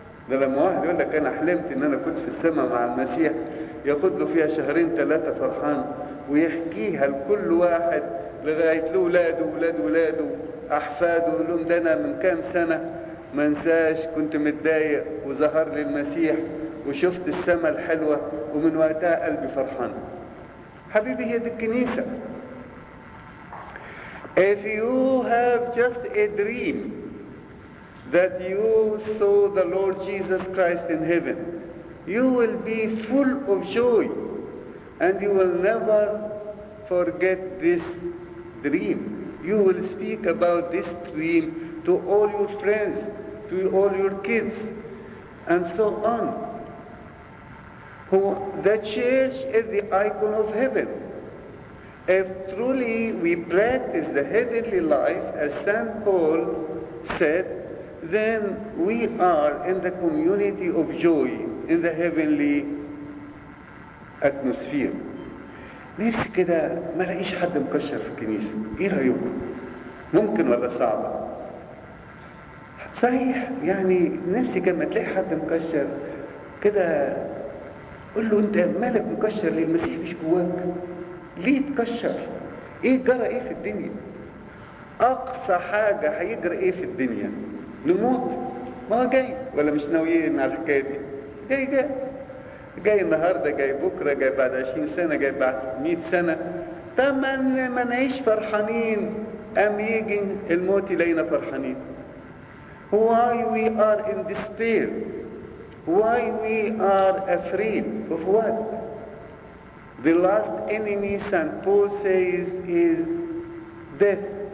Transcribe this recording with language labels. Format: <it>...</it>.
<ar>ده لما واحد يقول لك انا حلمت ان انا كنت في السماء مع المسيح، ياخد له فيها شهرين ثلاثة فرحان، ويحكيها لكل واحد لغاية لولاده ولاد ولاده أحفاده، يقول لهم ده أنا من كام سنة ما انساش كنت متضايق، وظهر لي المسيح وشفت السماء الحلوة، ومن وقتها قلبي فرحان. حبيبي، هي دي الكنيسة.</ar> <en>If you have just a dream that you saw the Lord Jesus Christ in heaven, you will be full of joy and you will never forget this dream. You will speak about this dream to all your friends, to all your kids, and so on. The church is the icon of heaven. If truly we practice the heavenly life, as St. Paul said, then we are in the community of joy, in the heavenly atmosphere.</en> <ar>نفسي كده ما لقيش حد مكشر في الكنيسة، ايه رأيكم؟ ممكن ولا صعبة؟ صحيح، يعني نفسي كده ما تلاقي حد مكشر كده، قل له انت مالك مكشر ليه؟ المسيح مش جواك؟ ليه تكشر؟ ايه جرى ايه في الدنيا؟ اقصى حاجة هيجرى ايه في الدنيا؟ نموت؟ ما جاي ولا مش ناويين على الحكاية دي؟ جاي النهاردة، جاي بكرة، جاي بعد 20 سنة، جاي بعد 100 سنة. طب ما نعيش فرحانين أم يجي الموت إلينا فرحانين؟</ar> <en>Why we are in despair? Why we are afraid of what? The last enemy, St. Paul says, is death.</en>